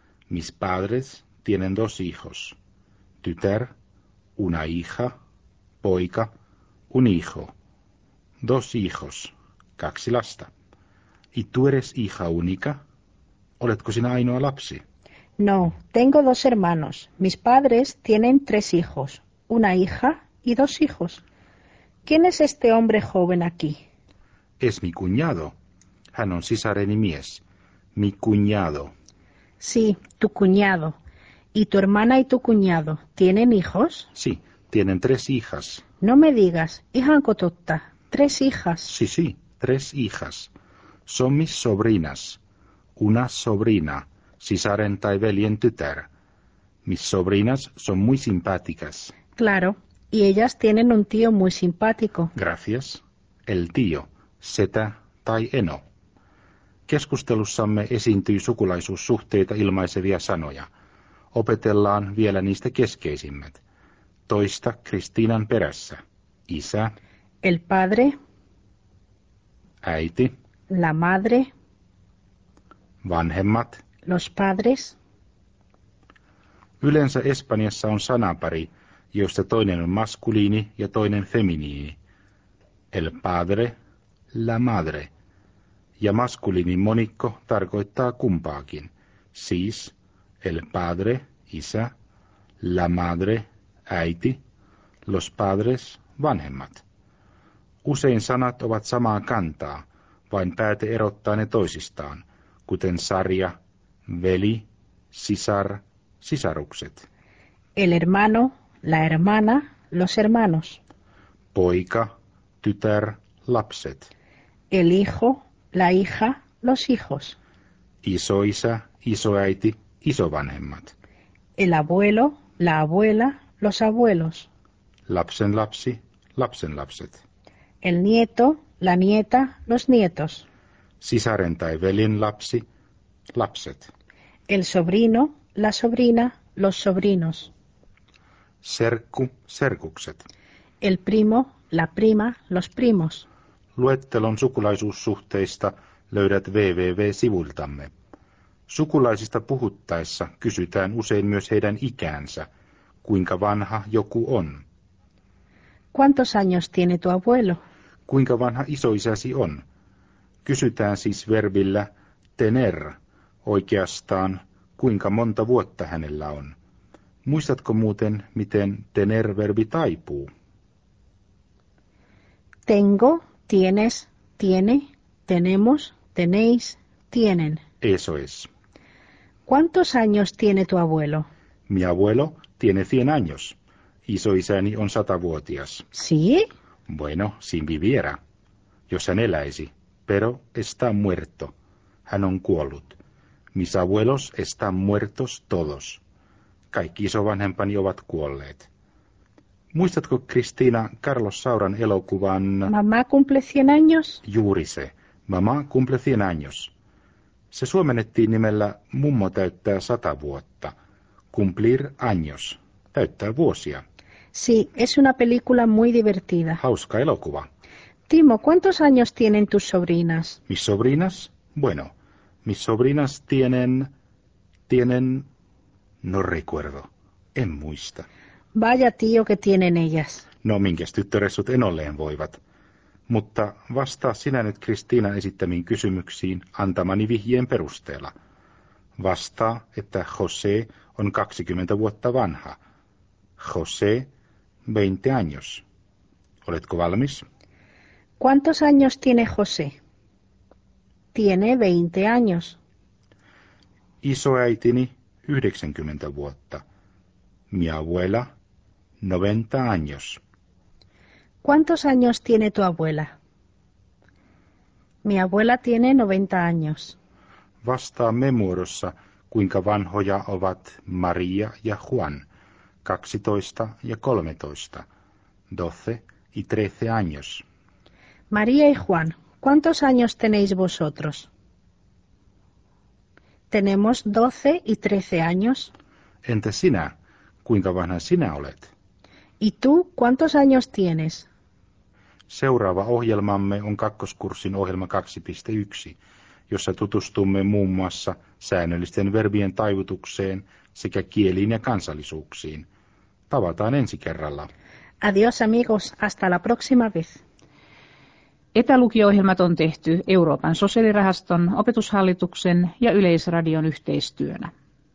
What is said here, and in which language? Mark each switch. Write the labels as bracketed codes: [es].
[es] Mis padres tienen dos hijos. Tytär, una hija, poika, un hijo. Dos hijos, [fi] kaksi lasta. [es] ¿Y tú eres hija única? [fi] ¿Oletko sinä ainoa lapsi? [es] No, tengo dos hermanos. Mis padres tienen tres hijos, una hija y dos hijos. ¿Quién es este hombre joven aquí? Es mi cuñado. [fi] Hän on sisareni mies. [es] Mi cuñado. Sí, tu cuñado. ¿Y tu hermana y tu cuñado tienen hijos? Sí, tienen tres hijas. No me digas, [fi] ihanko totta, [es] tres hijas. Sí, sí, tres hijas. Son mis sobrinas. Una sobrina, [fi] sisaren tai veljen tytär. [es] Mis sobrinas son muy simpáticas. Claro, y ellas tienen un tío muy simpático. Gracias. El tío, [fi] setä tai eno. Keskustelussamme esiintyy sukulaisuussuhteita ilmaisevia sanoja. Opetellaan vielä niistä keskeisimmät. Toista Kristiinan perässä. Isä. [es] El padre. [fi] Äiti. [es] La madre. [fi] Vanhemmat. [es] Los padres. [fi] Yleensä Espanjassa on sanapari, joista toinen on maskuliini ja toinen feminiini. [es] El padre, la madre. [fi] Ja maskuliinin monikko tarkoittaa kumpaakin. [es] Siis el padre, isä, la madre, äiti, los padres, vanhemmat. [fi] Usein sanat ovat samaa kantaa, vain pääte erottaa ne toisistaan, kuten sarja, veli, sisar, sisarukset. [es] El hermano, la hermana, los hermanos. [fi] Poika, tytär, lapset. [es] El hijo, la hija, los hijos. [fi] Isoisä, isoäiti, isovanhemmat. [es] El abuelo, la abuela, los abuelos. [fi] Lapsen lapsi, lapsen lapset. [es] El nieto, la nieta, los nietos. [fi] Sisaren tai veljen lapsi, lapset. [es] El sobrino, la sobrina, los sobrinos. [fi] Serkku, serkukset. [es] El primo, la prima, los primos. [fi] Luettelon sukulaisuussuhteista löydät www-sivultamme. Sukulaisista puhuttaessa kysytään usein myös heidän ikäänsä, kuinka vanha joku on. [es] ¿Cuántos años tiene tu abuelo? [fi] Kuinka vanha isoisäsi on? Kysytään siis verbillä tener, oikeastaan kuinka monta vuotta hänellä on. Muistatko muuten, miten tener-verbi taipuu? [es] Tengo, tienes, tiene, tenemos, tenéis, tienen. Eso es. ¿Cuántos años tiene tu abuelo? Mi abuelo tiene 100 años. [fi] Isoisäni on 100-vuotias. [es] ¿Sí? Bueno, si viviera. [fi] Jos hän eläisi. [es] Pero está muerto. [fi] Hän on kuollut. [es] Mis abuelos están muertos todos. [fi] Kaikki isovanhempani ovat kuolleet. Muistatko, Cristina, Carlos Sauran elokuvan... [es] Mamá cumple 100 años. [fi] Juuri se. [es] Mamá cumple 100 años. [fi] Se suomennettiin nimellä Mummo täyttää 100 vuotta. [es] Cumplir años. [fi] Täyttää vuosia. [es] Sí, es una película muy divertida. [fi] Hauska elokuva. [es] Timo, ¿cuántos años tienen tus sobrinas? ¿Mis sobrinas? Bueno, mis sobrinas tienen... No recuerdo. [fi] En muista. [es] Vaya tío, ¿qué tienen ellas? [fi] No, minkäs tyttöresut en olleen voivat. Mutta vastaa sinä nyt Kristiinan esittämiin kysymyksiin antamani vihjeen perusteella. Vastaa, että José on 20 vuotta vanha. José, 20 años. Oletko valmis? [es] ¿Cuántos años tiene José? Tiene 20 años. [fi] Isoäitini, 90 vuotta. [es] Mi abuela, 90 años. ¿Cuántos años tiene tu abuela? Mi abuela tiene 90 años. [fi] Vastaa me muodossa, kuinka vanhoja ovat Maria ja Juan, 12 ja 13, [es] 12 y 13 años. María y Juan, ¿cuántos años tenéis vosotros? Tenemos 12 y 13 años. [fi] Entä sinä, kuinka vanha sinä olet? [es] ¿Y tú, cuántos años tienes? [fi] Seuraava ohjelmamme on kakkoskurssin ohjelma 2.1, jossa tutustumme muun muassa säännöllisten verbien taivutukseen sekä kieliin ja kansallisuuksiin. Tavataan ensi kerralla. [es] Adiós amigos, hasta la próxima vez. [fi] Etälukio-ohjelmat on tehty Euroopan sosiaalirahaston, opetushallituksen ja Yleisradion yhteistyönä.